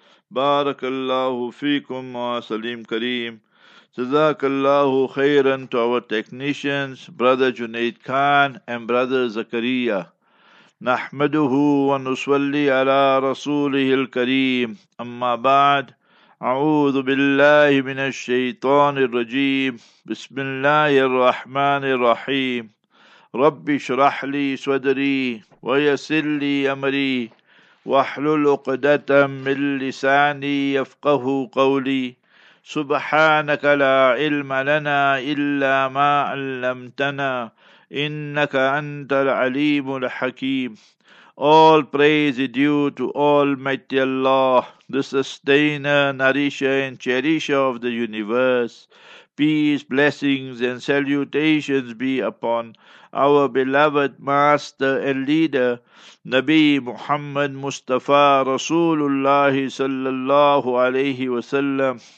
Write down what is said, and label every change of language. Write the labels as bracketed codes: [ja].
[ar] بارك الله فيكم وسلم كريم. جزاك الله خيرا [en] to our technicians, brother Junaid Khan and brother Zakaria. [ar] نحمده ونصلي على رسوله الكريم. أما بعد، أعوذ بالله من الشيطان الرجيم. بسم الله الرحمن الرحيم. رب اشرح لي صدري ويسر لي أمري واحلل عقدة من لساني يفقه قولي. سبحانك لا علم لنا إلا ما علمتنا إِنَّكَ أَنْتَ الْعَلِيمُ الْحَكِيمُ. [en] All praise is due to Almighty Allah, the sustainer, nourisher and cherisher of the universe. Peace, blessings and salutations be upon our beloved master and leader, Nabi Muhammad Mustafa Rasulullah sallallahu alayhi wa sallam.